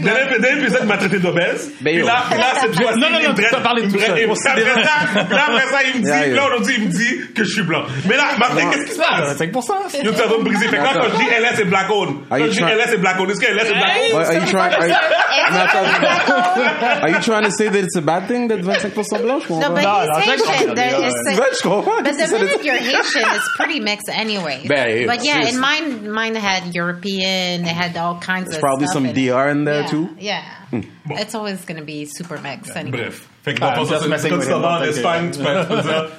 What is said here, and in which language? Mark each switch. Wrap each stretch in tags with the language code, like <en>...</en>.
<fr>Dernier épisode, il m'a traité d'obèse. Ben, puis là, cette fois-ci, il me dit que je suis blanc. Mais là, Martin, qu'est-ce qui se passe? 5%. Il me fait briser. Fait que là, quand je dis LS est black owned, est-ce que LS est black owned?</fr> <en>Are you trying to say that it's a bad thing that 25% blanc?</en> <fr>Non, mais je comprends.</fr> <en>Like your Haitian is pretty mixed anyway. But yeah, in mine had European, it had all kinds of stuff. Probably some DR in there too. Yeah. Bon. It's always going to be super mixed anyway.</en> <fr>Bref. Fait que dans ton sens, c'est comme ça, c'est fine, tu peux être ça.</fr>